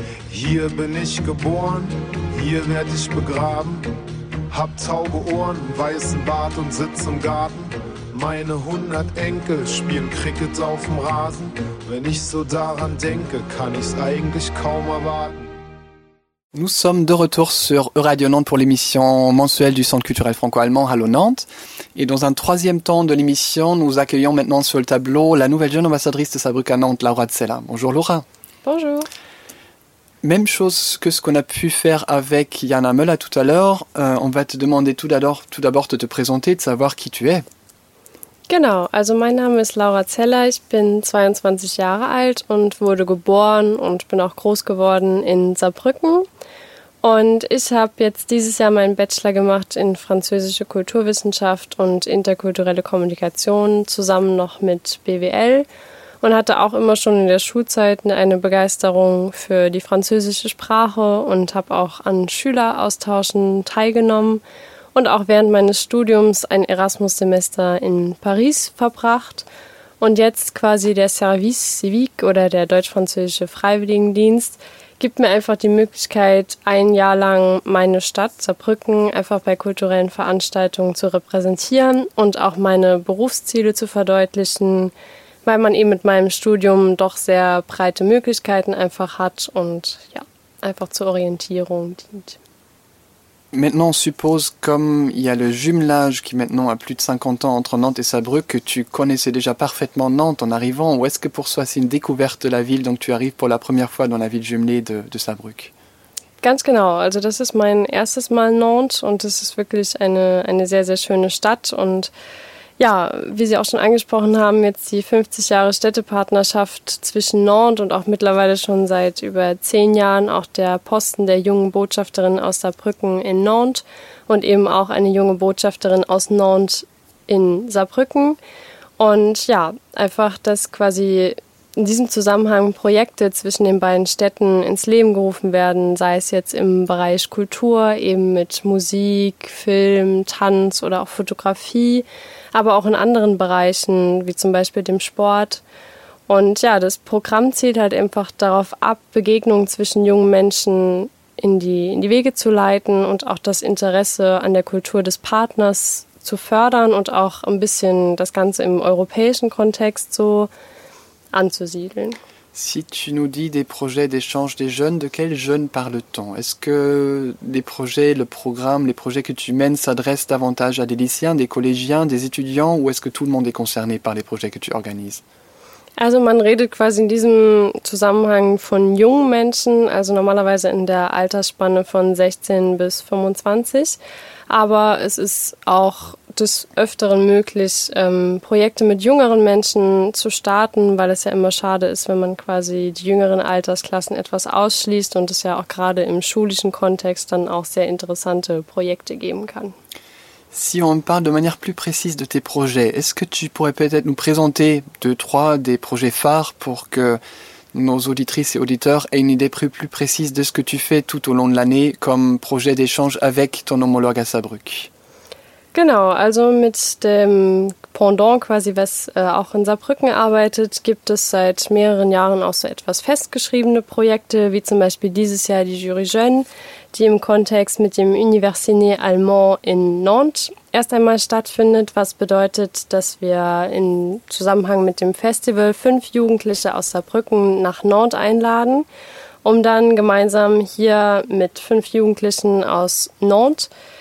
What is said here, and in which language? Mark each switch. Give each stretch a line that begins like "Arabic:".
German: Hier bin ich geboren, hier werd ich begraben. Hab tauge Ohren, weißen Bart und sitz im Garten. Meine 100 Enkel spielen Cricket auf dem Rasen. Wenn ich so daran denke, kann ich's eigentlich kaum erwarten.
French: Nous sommes de retour sur Radio Nantes pour l'émission mensuelle du Centre culturel franco-allemand Hallo Nantes. Et dans un troisième temps de l'émission, nous accueillons maintenant sur le tableau la nouvelle jeune ambassadrice de Saarbrück à Nantes, Laura Zella. Bonjour Laura. Bonjour. Même chose que ce qu'on a pu faire avec Jana Möller tout à l'heure, on va te demander tout d'abord de te présenter, de savoir qui tu es.
German: Genau, also mein Name ist Laura Zeller, ich bin 22 Jahre alt und wurde geboren und bin auch groß geworden in Saarbrücken Und ich habe jetzt dieses Jahr meinen Bachelor gemacht in französische Kulturwissenschaft und interkulturelle Kommunikation zusammen noch mit BWL und hatte auch immer schon in der Schulzeit eine Begeisterung für die französische Sprache und habe auch an Schüleraustauschen teilgenommen und auch während meines Studiums ein Erasmus-Semester in Paris verbracht. Und jetzt quasi der Service Civique oder der deutsch-französische Freiwilligendienst gibt mir einfach die Möglichkeit, ein Jahr lang meine Stadt Saarbrücken einfach bei kulturellen Veranstaltungen zu repräsentieren und auch meine Berufsziele zu verdeutlichen, weil man eben mit meinem Studium doch sehr breite Möglichkeiten einfach hat und ja, einfach zur Orientierung dient.
French: Maintenant, suppose, comme il y a le jumelage qui maintenant a plus de 50 ans entre Nantes et Saarbrück, que tu connaissais déjà parfaitement Nantes en arrivant, ou est-ce que pour toi c'est une découverte de la ville, donc tu arrives pour la première fois dans la ville jumelée de Saarbrück?
German: Ganz genau, also das ist mein erstes Mal Nantes und das ist wirklich eine sehr, sehr schöne Stadt. Und ja, wie Sie auch schon angesprochen haben, jetzt die 50 Jahre Städtepartnerschaft zwischen Nantes und auch mittlerweile schon seit über 10 Jahren auch der Posten der jungen Botschafterin aus Saarbrücken in Nantes und eben auch eine junge Botschafterin aus Nantes in Saarbrücken. Und ja, einfach, dass quasi in diesem Zusammenhang Projekte zwischen den beiden Städten ins Leben gerufen werden, sei es jetzt im Bereich Kultur, eben mit Musik, Film, Tanz oder auch Fotografie, aber auch in anderen Bereichen, wie zum Beispiel dem Sport. Und ja, das Programm zielt halt einfach darauf ab, Begegnungen zwischen jungen Menschen in die Wege zu leiten und auch das Interesse an der Kultur des Partners zu fördern und auch ein bisschen das Ganze im europäischen Kontext so anzusiedeln.
French: Si tu nous dis des projets d'échange des jeunes, de quels jeunes parle-t-on? Est-ce que les projets, le programme, les projets que tu mènes s'adressent davantage à des lycéens, des collégiens, des étudiants ou est-ce que tout le monde est concerné par les projets que tu organises?
German: Also man redet quasi in diesem Zusammenhang von jungen Menschen, also normalerweise in der Altersspanne von 16 bis 25, aber es ist auch des Öfteren möglich, Projekte mit jüngeren Menschen zu starten, weil es ja immer schade ist, wenn man quasi die jüngeren Altersklassen etwas ausschließt und es ja auch gerade im schulischen Kontext dann auch sehr interessante Projekte geben kann.
French: Si on parle de manière plus précise de tes projets, est-ce que tu pourrais peut-être nous présenter deux, trois des projets phares pour que nos auditrices et auditeurs aient une idée plus précise de ce que tu fais tout au long de l'année comme projet d'échange avec ton homologue à Saarbrück?
German: Genau, also mit dem Pendant quasi, was auch in Saarbrücken arbeitet, gibt es seit mehreren Jahren auch so etwas festgeschriebene Projekte, wie zum Beispiel dieses Jahr die Jury Jeune, die im Kontext mit dem Université Allemand in Nantes erst einmal stattfindet, was bedeutet, dass wir im Zusammenhang mit dem Festival 5 Jugendliche aus Saarbrücken nach Nantes einladen, um dann gemeinsam hier mit 5 Jugendlichen aus Nantes